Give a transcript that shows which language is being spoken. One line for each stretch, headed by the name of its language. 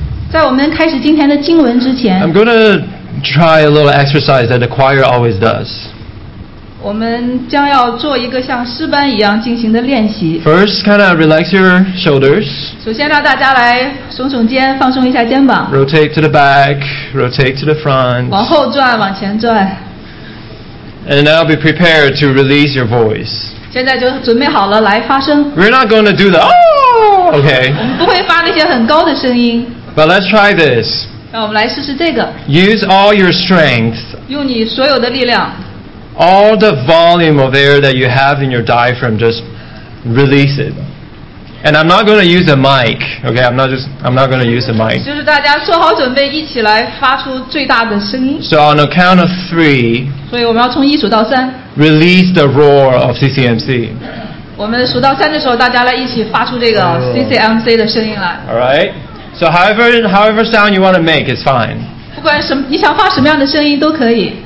Chinese: 在我们开始今天的经文之前
English: ，I'm going to try a little exercise that the choir always does.
Chinese: 我们将要做一个像诗班一样进行的练习。
English: First, kind of relax your shoulders.
Chinese: 首先让大家来耸耸肩，放松一下肩膀。
English: Rotate to the back, rotate to the front.
Chinese: 往后转，往前转。
English: And now be prepared to release your voice.
Chinese: 现在就准备好了来发声。
English: We're not going to do the Okay.
Chinese: 我们不会发那些很高的声音。
English: But let's try this.
Chinese: 让我们来试试这个。
English: Use all your strength.
Chinese: 用你所有的力量。
English: All the volume of air that you have in your diaphragm, just release it. And I'm not going to use a mic. Okay, I'm not going to use a mic.
Chinese: 就是大家做好准备，一起来发出最大的声音。
English: So on a count of three.
Chinese: 所以我们要从一数到三。
English: Release the roar of CCMC.
Chinese: 我们数到三的时候，大家来一起发出这个 CCMC 的声音来。
English: All right. So however sound you want to make is fine.
Chinese: 不管什么，你想发什么样的声音都可以。